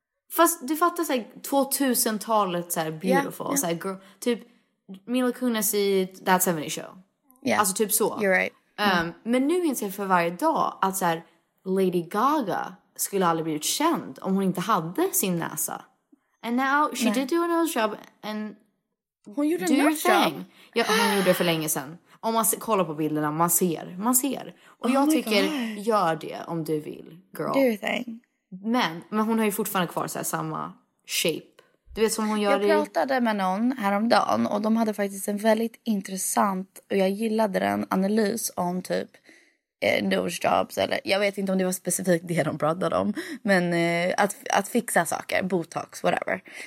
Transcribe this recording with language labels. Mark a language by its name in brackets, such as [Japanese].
[Swedish] Fast du fattar såhär 2000-talet såhär beautiful. Yeah. Såhär, girl, typ Mila Kunis i That 70 Show. [English] Yeah. [Swedish] Alltså typ så. [English] You're right. [Swedish] Men nu inser jag för varje dag att såhär Lady Gaga skulle aldrig bli känd om hon inte hade sin näsa. [English] And now she did do a nose job and [Swedish] hon gjorde [English] do a nose thing. [Swedish] Ja, hon gjorde det för länge sedan. Om man kollar på bilderna, man ser. Och jag tycker, gör det om du vill, girl. [English] Do your thing. [Swedish] Men hon har ju fortfarande kvar så här samma shape. Du vet som hon gör det. Jag pratade med någon häromdagen och de hade faktiskt en väldigt intressant, och jag gillade den, analys om typ nose jobs, eller jag vet inte om det var specifikt det de pratade om, men att fixa saker, botox, whatever.